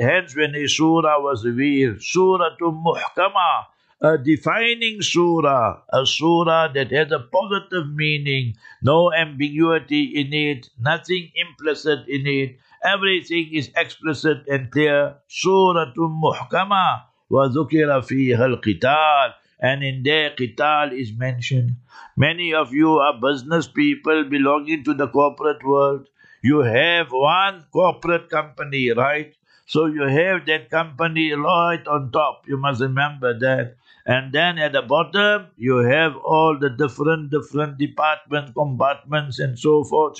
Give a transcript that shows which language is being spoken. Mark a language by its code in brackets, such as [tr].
[en] Hence, when a surah was revealed, [ar] suratun muhkama, [en] a defining surah, a surah that has a positive meaning, no ambiguity in it, nothing implicit in it, everything is explicit and clear. [ar] Suratun muhkama, وَذُكِرَ فِيهَا الْقِتَالِ. [en] And in there, qital is mentioned. Many of you are business people belonging to the corporate world. You have one corporate company, right? So you have that company right on top. You must remember that. And then at the bottom, you have all the different departments, compartments and so forth.